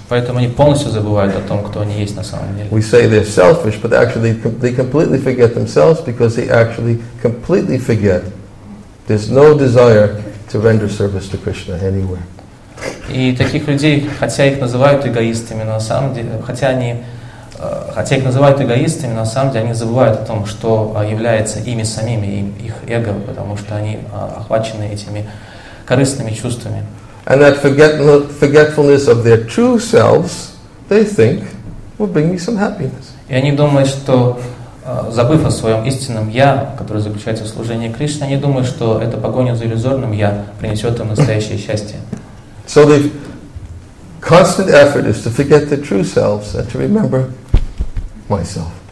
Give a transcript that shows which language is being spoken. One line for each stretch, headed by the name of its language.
Russian: Поэтому они полностью забывают о том, кто они есть на самом деле.
English: We say they're selfish, but actually they completely forget themselves because they actually completely forget there's no desire to render service to Krishna anywhere.
Russian: И таких людей, хотя их называют эгоистами, но на самом деле, хотя их называют эгоистами, но на самом деле они забывают о том, что является ими самими, их эго, потому что они охвачены этими корыстными чувствами.
English: And that forgetfulness of their true selves, they think, will bring me some happiness.
Russian: И они думают, что, забыв о своем истинном «я», которое заключается в служении Кришне, они думают, что эта погоня за иллюзорным «я» принесет им настоящее счастье.
English: So the constant effort is to forget the true selves and to remember myself.